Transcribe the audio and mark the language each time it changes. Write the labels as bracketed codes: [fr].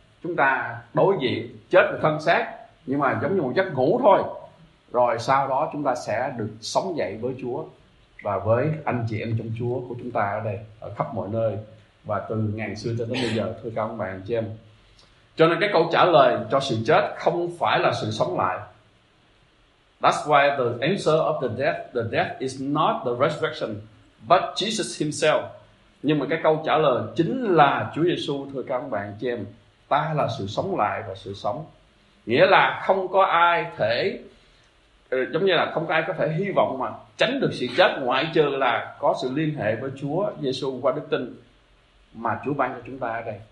[vi] Chúng ta đối diện chết với thân xác, nhưng mà giống như một giấc ngủ thôi. Rồi sau đó chúng ta sẽ được sống dậy với Chúa và với anh chị em trong Chúa của chúng ta ở đây, ở khắp mọi nơi và từ ngàn xưa cho đến bây giờ, thưa các ông bà anh chị em. Cho nên cái câu trả lời cho sự chết không phải là sự sống lại. [en] That's why the answer of the death is not the resurrection, but Jesus himself. [vi] Nhưng mà cái câu trả lời chính là Chúa Giêsu, thưa các ông bà anh chị em. Ta là sự sống lại và sự sống. Nghĩa là không có ai thể, giống như là không có ai có thể hy vọng mà tránh được sự chết ngoại trừ là có sự liên hệ với Chúa Giêsu qua đức tin mà Chúa ban cho chúng ta ở đây.